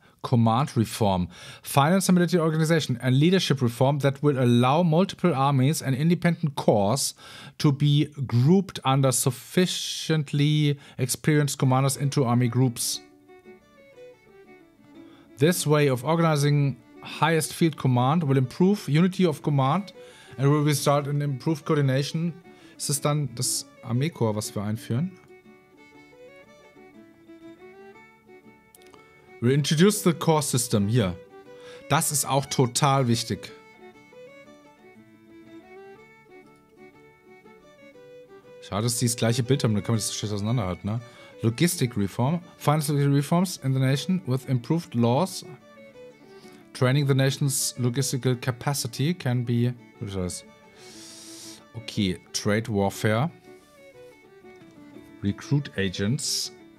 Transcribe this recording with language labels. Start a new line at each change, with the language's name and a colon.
English: Command Reform, Finance and Military Organization and Leadership Reform that will allow multiple armies and independent corps to be grouped under sufficiently experienced commanders into army groups. This way of organizing highest field command will improve unity of command and will result in improved coordination.
German: Ist es dann das Armeekorps, was wir einführen?
English: Reintroduce the core system
German: hier. Das ist auch total wichtig. Schade, dass die das gleiche Bild haben, da kann man das so schlecht auseinanderhalten, ne?
English: Logistic reform. Financial reforms in the nation with improved laws. Training the nation's logistical capacity can be. Okay, trade warfare. Recruit agents.